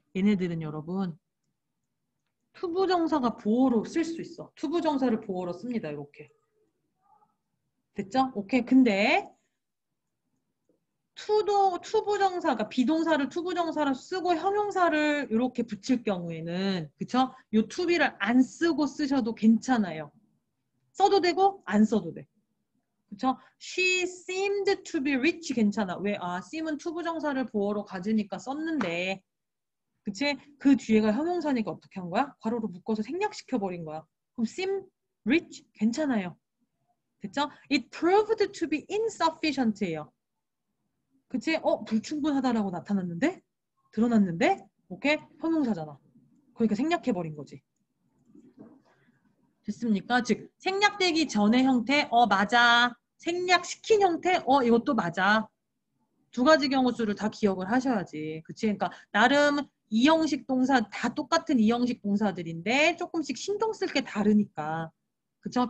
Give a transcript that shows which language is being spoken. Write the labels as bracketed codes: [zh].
[ko] 얘네들은 여러분 투부 정사가 보어로 쓸수 있어 투부 정사를 보어로 씁니다 이렇게 됐죠? 오케이 근데 투부 정사가 비동사를 투부 정사로 쓰고 형용사를 이렇게 붙일 경우에는 그쵸? 요 투비를 안 쓰고 쓰셔도 괜찮아요 써도 되고 안 써도 돼. 그쵸? [en] She seemed to be rich [ko] 괜찮아. 왜? 아, seem은 투부 정사를 보어로 가지니까 썼는데 그치? 그 뒤에가 형용사니까 어떻게 한 거야? 괄호로 묶어서 생략시켜버린 거야. 그럼 seem rich 괜찮아요. 됐죠? [en] It proved to be insufficient예요. [ko] 그치? 불충분하다라고 나타났는데? 드러났는데? 오케이? 형용사잖아. 그러니까 생략해버린 거지. 됐습니까? 즉, 생략되기 전의 형태, 맞아. 생략시킨 형태, 이것도 맞아. 두 가지 경우수를 다 기억을 하셔야지. 그치? 그러니까 나름 이형식 동사 다 똑같은 이형식 동사들인데 조금씩 신경 쓸게 다르니까. 그쵸?